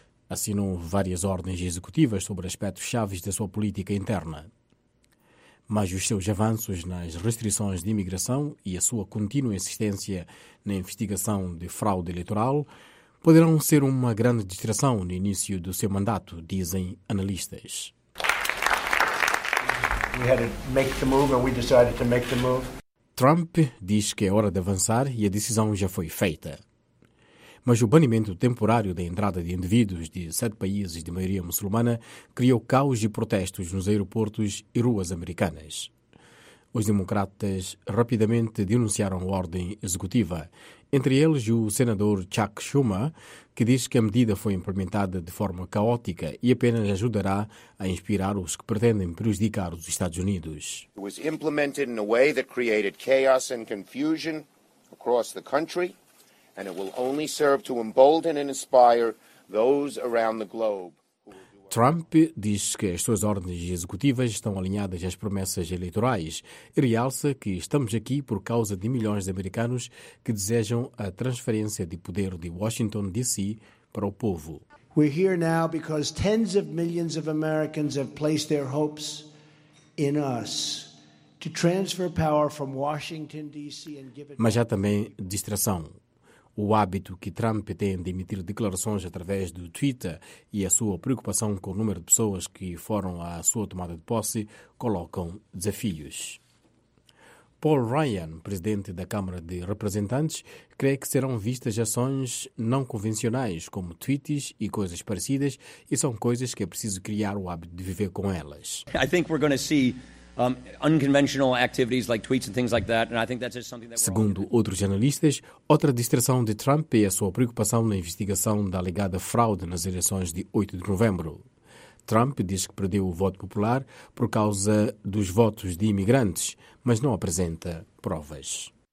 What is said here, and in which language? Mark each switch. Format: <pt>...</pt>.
<pt>Assinou várias ordens executivas sobre aspectos chaves da sua política interna. Mas os seus avanços nas restrições de imigração e a sua contínua insistência na investigação de fraude eleitoral poderão ser uma grande distração no início do seu mandato, dizem analistas.</pt> <en>We had to make the move, and we decided to make the move.</en> <pt>Trump diz que é hora de avançar e a decisão já foi feita. Mas o banimento temporário da entrada de indivíduos de 7 países de maioria muçulmana criou caos e protestos nos aeroportos e ruas americanas. Os democratas rapidamente denunciaram a ordem executiva, entre eles o senador Chuck Schumer, que diz que a medida foi implementada de forma caótica e apenas ajudará a inspirar os que pretendem prejudicar os Estados Unidos.</pt> <en>It was implemented in a way that created chaos and confusion across the country, and it will only serve to embolden and inspire those around the globe.</en> <pt>Trump diz que as suas ordens executivas estão alinhadas às promessas eleitorais e realça que estamos aqui por causa de milhões de americanos que desejam a transferência de poder de Washington, D.C. para o povo.</pt> <en>We're here now because tens of millions of Americans have placed their hopes in us to transfer power from Washington, D.C. and give it.</en> <pt>Mas há também distração. O hábito que Trump tem de emitir declarações através do Twitter e a sua preocupação com o número de pessoas que foram à sua tomada de posse colocam desafios. Paul Ryan, presidente da Câmara de Representantes, crê que serão vistas ações não convencionais, como tweets e coisas parecidas, e são coisas que é preciso criar o hábito de viver com elas.</pt> <en>I think we're going to see unconventional activities like tweets and things like that, and I think that's just something that.</en> <pt>Segundo outros analistas, outra distração de Trump é a sua preocupação na investigação da alegada fraude nas eleições de 8 de novembro. Trump diz que perdeu o voto popular por causa dos votos de imigrantes, mas não apresenta provas.</pt>